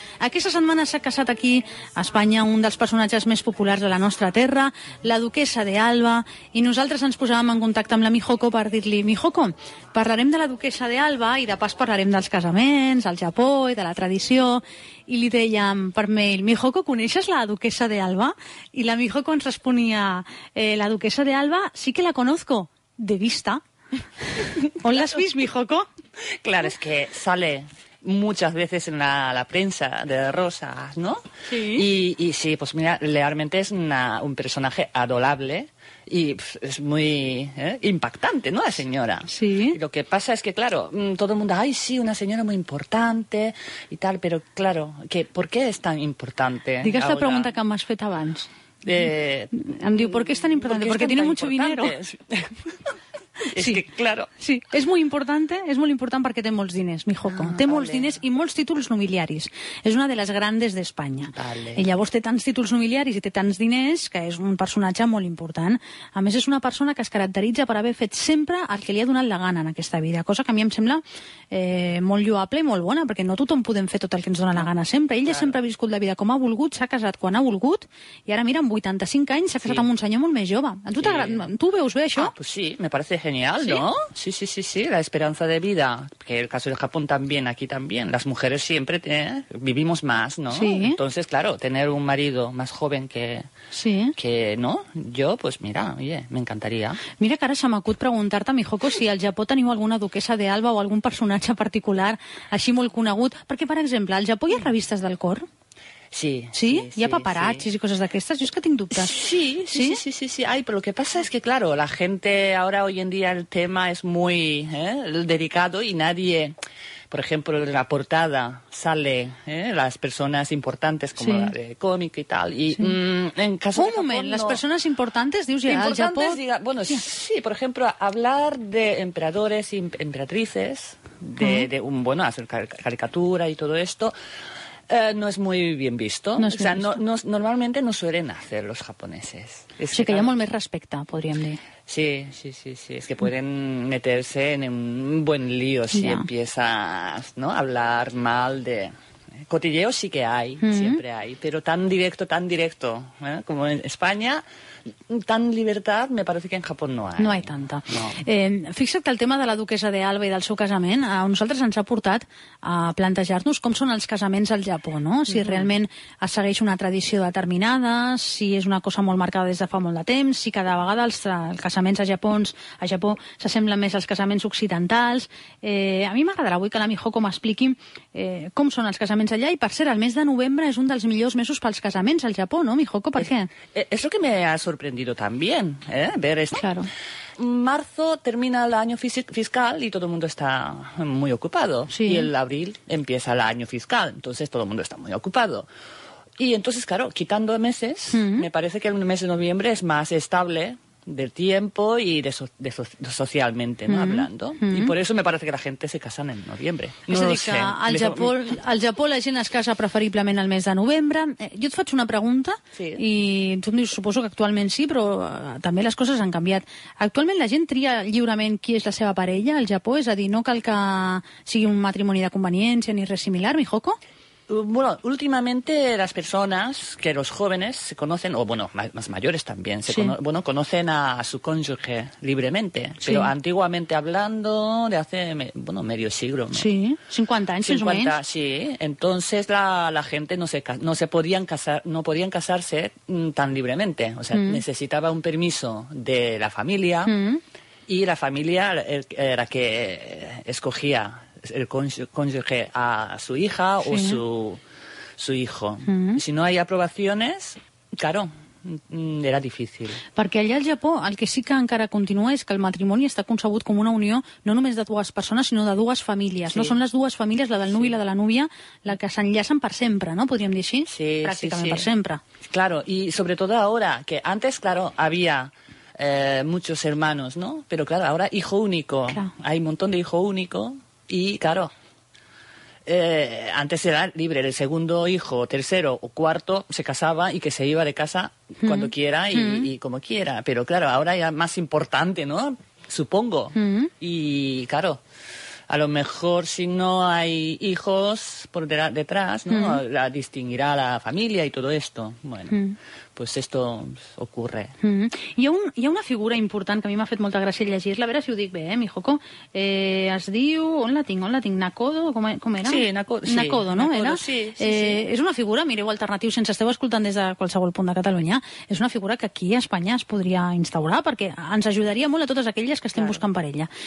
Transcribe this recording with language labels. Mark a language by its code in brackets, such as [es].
[ca] Aquesta setmana s'ha casat aquí a Espanya un dels personatges més populars de la nostra terra, la duquesa de Alba, i nosaltres ens posàvem en contacte amb la Mihoko per dir-li, Mihoko, parlarem de la duquesa de Alba i de pas parlarem dels casaments, al Japó i de la tradició, i li dèiem per mail, Mihoko, coneixes la duquesa de Alba? I la Mihoko ens responia, [es] la duquesa de Alba sí que la conozco, de vista. [ca] ¿On l'has vist, Mihoko? [es] Claro, es que sale muchas veces en la prensa de Rosas, ¿no? Sí. Y sí, pues mira, realmente es un personaje adorable y es muy impactante, ¿no?, la señora. Sí. Y lo que pasa es que, claro, todo el mundo, ay, sí, una señora muy importante y tal, pero claro, ¿por qué es tan importante? [ca] Diga esta pregunta que m'has fet abans. Em diu, [es] ¿por qué es tan importante? ¿Por qué porque tiene mucho dinero. Es sí, que, claro. [ca] Sí, és molt important perquè té molts diners, Mihoko. Ah, té molts diners i molts títols nobiliaris. És una de les grandes d'Espanya. [es] Vale. [ca] I llavors té tants títols nobiliaris i té tants diners que és un personatge molt important. A més, és una persona que es caracteritza per haver fet sempre el que li ha donat la gana en aquesta vida, cosa que a mi em sembla molt lloable i molt bona, perquè no tothom podem fer tot el que ens dona la gana sempre. Ella sempre ha viscut la vida com ha volgut, s'ha casat quan ha volgut, i ara, mira, amb 85 anys s'ha casat amb un senyor molt més jove. Tu veus bé això? [es] Ah, pues sí, me parece genial. Genial, ¿no? ¿Sí? Sí, sí, sí, sí, la esperanza de vida, que el caso de Japón también, aquí también, las mujeres siempre vivimos más, ¿no? Sí. Entonces, claro, tener un marido más joven que, sí, que no, yo, pues mira, oye, me encantaría. [ca] Mira que ara se m'acut preguntar-te, Mihoko, si al Japó teniu alguna duquesa de Alba o algun personatge particular així molt conegut, perquè, per exemple, al Japó hi ha revistes del cor? Sí, sí. Sí, hi ha paparazzis, sí, i coses d'aquestes? Jo és que tinc dubtes. Sí, sí, sí, sí, sí, sí. [es] Ay, pero lo que pasa es que, claro, la gente ahora, hoy en día, el tema es muy delicado y nadie... Por ejemplo, en la portada sale las personas importantes, como la de cómic y tal. Y, en caso [ca] un moment, [es] Japón, las personas importantes, dius, ya al Japón... Diga, bueno, sí, por ejemplo, hablar de emperadores y emperatrices, de un, bueno, hacer caricatura y todo esto... no es muy bien visto. No es o sea, visto. Normalmente no suelen hacer los japoneses. [ca] Es sí, que hay molt més respecte, podríem dir. [es] Sí, sí, sí, sí. Es que pueden meterse en un buen lío si empiezas, ¿no?, a hablar mal de... Cotilleo sí que hay, siempre hay, pero tan directo, como en España, tan libertad, me parece que en Japón no hay. No hay tanta. No. [ca] Fixa't que el tema de la duquesa d'Alba i del seu casament a nosaltres ens ha portat a plantejar-nos com són els casaments al Japó, no? Si realment es segueix una tradició determinada, si és una cosa molt marcada des de fa molt de temps, si cada vegada els casaments a Japó s'assemblen més als casaments occidentals. A mi m'agradarà avui que la Mihoko m'expliqui com són els casaments allà, i per cert, el mes de novembre és un dels millors mesos pels casaments al Japó, no, Mihoko? Per què? [es] És lo que me ha sorprendido también, ver esto. Claro. Marzo termina el año fiscal y todo el mundo está muy ocupado. Sí. Y el abril empieza el año fiscal, entonces todo el mundo está muy ocupado. Y entonces, claro, quitando meses, me parece que el mes de noviembre es más estable de tiempo y socialmente, ¿no? Hablando. Y por eso me parece que la gente se casa en noviembre. [ca] No és a dir, que al Japó la gent es casa preferiblement al mes de novembre. Jo et faig una pregunta sí. I tu em dius, suposo que actualment sí, però també les coses han canviat. Actualment la gent tria lliurement qui és la seva parella al Japó? És a dir, no cal que sigui un matrimoni de conveniència ni res similar, Mihoko? [es] Bueno, últimamente las personas, que los jóvenes se conocen, o bueno, más mayores también, conocen a su cónyuge libremente. Sí. Pero antiguamente hablando, de hace, medio siglo. Sí, 50 años, 50, menos. Sí. Entonces la gente no podían casarse tan libremente. O sea, necesitaba un permiso de la familia, y la familia era que escogía el cónyuge a su hija o su hijo. Si no hay aprobaciones, claro, era difícil. [ca] Perquè allà al Japó el que sí que encara continua és que el matrimoni està concebut com una unió no només de dues persones, sinó de dues famílies. Sí. No són les dues famílies, la del nuvi i la de la núvia, la que s'enllacen per sempre, no? Podríem dir així, pràcticament per sempre. [es] Claro, y sobre todo ahora, que antes, claro, había muchos hermanos, ¿no? Pero claro, ahora hijo único. Claro. Hay un montón de hijo único. Y claro, antes era libre, el segundo hijo, tercero o cuarto se casaba y que se iba de casa cuando quiera y como quiera. Pero claro, ahora ya más importante, ¿no? Supongo. Y claro, a lo mejor si no hay hijos por detrás, ¿no? La distinguirá la familia y todo esto. Bueno. Pues esto ocurre. [ca] Hi ha una figura important que a mi m'ha fet molta gràcia llegir-la. A veure si ho dic bé, Mihoko. Es diu... On la tinc? Nakodo? Com era? Sí, Nakodo. Nakodo, sí. No? Nakodo, era? Sí. És una figura, mireu alternatiu, sense esteu escoltant des de qualsevol punt de Catalunya, és una figura que aquí a Espanya es podria instaurar perquè ens ajudaria molt a totes aquelles que estem buscant parella.